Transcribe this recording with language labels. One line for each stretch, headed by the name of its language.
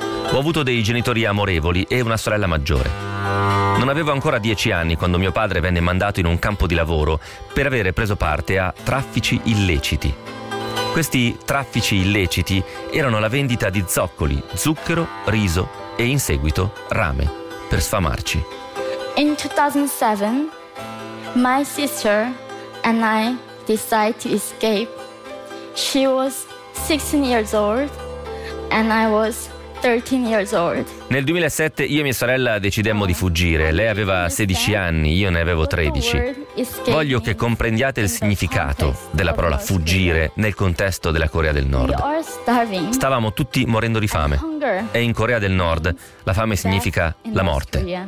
Italian: Ho avuto dei genitori amorevoli e una sorella maggiore. Non avevo ancora 10 anni quando mio padre venne mandato in un campo di lavoro per avere preso parte a traffici illeciti. Questi traffici illeciti erano la vendita di zoccoli, zucchero, riso e in seguito rame, per sfamarci.
English: In 2007... my sister and I decided to escape. She was 16 years old and I was 13 years old.
Italian: Nel 2007 io e mia sorella decidemmo di fuggire. Lei aveva 16 anni, io ne avevo 13. Voglio che comprendiate il significato della parola fuggire nel contesto della Corea del Nord. Stavamo tutti morendo di fame. E in Corea del Nord la fame significa la morte.